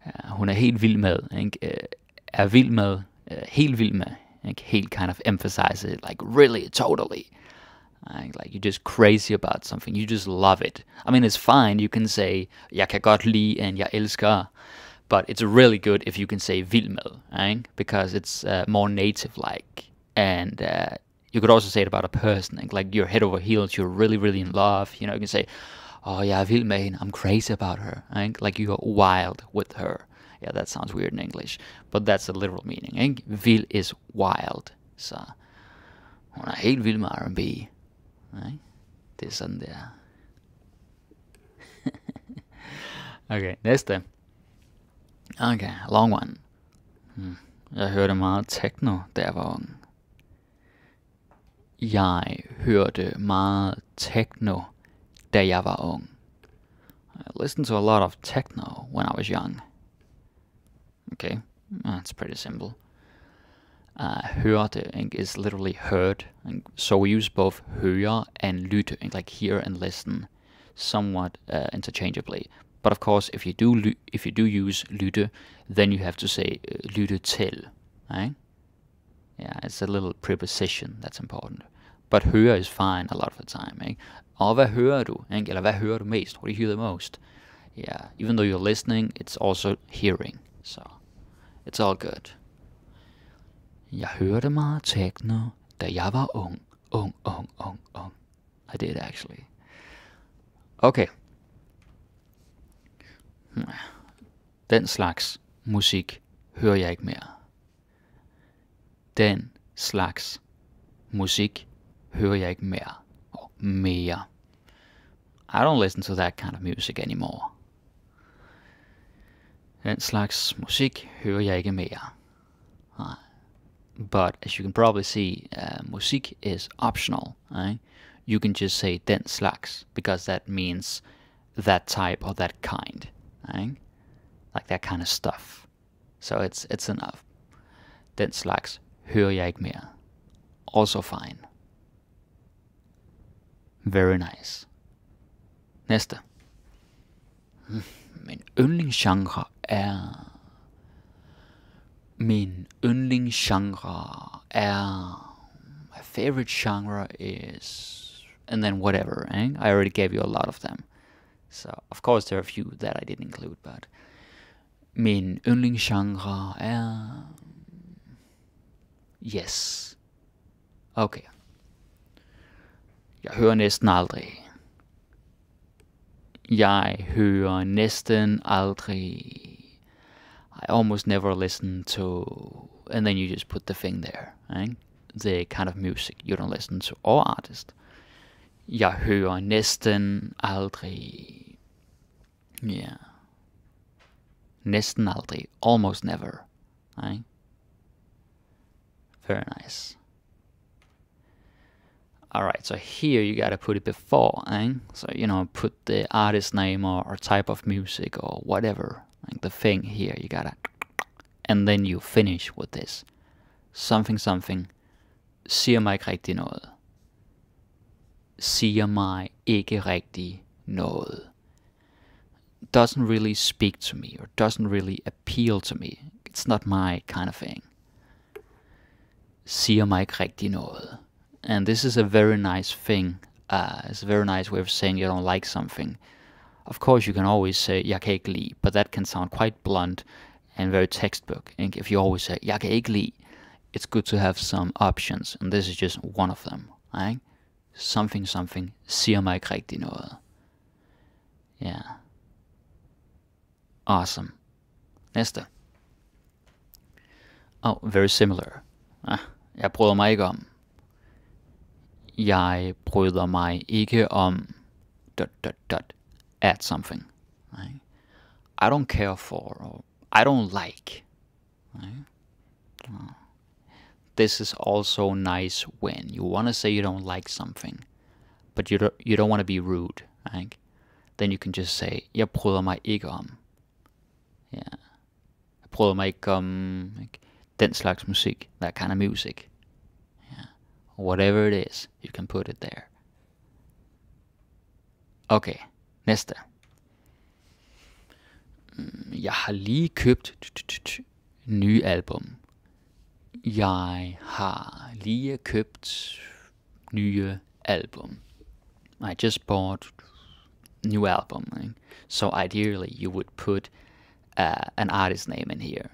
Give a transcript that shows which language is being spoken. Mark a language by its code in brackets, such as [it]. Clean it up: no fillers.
[da] Hun er helt vild med, ikke? Er vild med, helt vild med, ikke? [en] Helt kind of emphasize it, like really, totally. Like you're just crazy about something. You just love it. I mean, it's fine. You can say, [da] jeg kan godt lide [en] and [da] jeg elsker. [en] But it's really good if you can say [da] vild med, [en] eh? Because it's more native-like. And you could also say it about a person, like you're head over heels, you're really, really in love. You know, you can say, oh yeah, [da] vild med hende, [en] I'm crazy about her. Like you're wild with her. Yeah, that sounds weird in English, but that's the literal meaning. Vild is wild. [da] Så hun er helt vild med R&B. Det er sådan der. [en] Okay, [da] næste. [en] Okay, long one. [da] Jeg hørte meget techno, da jeg var ung. Jeg hørte meget techno, da jeg var ung. [en] I listened to a lot of techno when I was young. Okay, that's pretty simple. Hørte is literally heard. So we use both høre and lytte, like hear and listen, somewhat interchangeably. But of course, if you do use lytte, then you have to say [da] lytte til. [en] Right? Yeah, it's a little preposition that's important. But høre is fine a lot of the time, eh? [da] Og hvad hører du, ikke? Eller hvad hører du mest? [en] What do you hear the most? Yeah, even though you're listening, it's also hearing. So, it's all good. [da] Jeg hørte meget techno, da jeg var ung. Ung, ung, ung, ung. [en] I did, actually. Okay. [da] Den slags musik hører jeg ikke mere. Den slags musik hører jeg ikke mere. [en] Oh, mere. I don't listen to that kind of music anymore. [da] Den slags musik hører jeg ikke mere. [en] But as you can probably see, musik is optional. Right? You can just say [da] den slags, [en] because that means that type or that kind. Right? Like that kind of stuff. So it's enough. [da] Den slags hører jeg ikke mere. [en] Also fine. Very nice. [da] Næste. Min yndlingsgenre er [en] my favorite genre is, and then whatever, eh? I already gave you a lot of them. So, of course, there are a few that I didn't include, but [da] min yndlingsgenre er, [en] yes. Okay. [da] Jeg hører næsten aldrig. Jeg hører næsten aldrig. [en] I almost never listen to, and then you just put the thing there, right? The kind of music you don't listen to, or artist. [da] Jeg hører næsten aldrig. [en] Yeah. [da] Næsten aldrig. [en] Almost never. Right? Very nice. Alright, so here you gotta put it before, eh? So, you know, put the artist name or type of music or whatever. Like the thing here, you gotta... And then you finish with this. Something, something. [da] Siger mig ikke rigtig noget. Siger mig ikke rigtig noget. [en] Doesn't really speak to me or doesn't really appeal to me. It's not my kind of thing. [da] Siger mig ikke rigtig noget. [en] And this is a very nice thing. It's a very nice way of saying you don't like something. Of course, you can always say, [da] jeg kan ikke lide, [en] but that can sound quite blunt and very textbook. And if you always say, [da] jeg kan ikke lide, [en] it's good to have some options. And this is just one of them. Right? Something, something, [da] siger mig ikke rigtig noget. [en] Yeah. Awesome. [da] Næste. [en] Oh, very similar. [da] Jeg bryder mig ikke om. Jeg bryder mig ikke om ... at [en] something. Right? I don't care for, or I don't like. Right? Oh. This is also nice when you want to say you don't like something, but you don't want to be rude. Right? Then you can just say, [da] jeg bryder mig ikke om. [en] Yeah. [da] Jeg bryder mig ikke om den slags musik, [en] that kind of music. Whatever it is, you can put it there. Okay, [da] næste. Jeg har lige købt ny album. Jeg har lige købt nye album. [en] I just bought new album. Right? So ideally, you would put an artist name in here.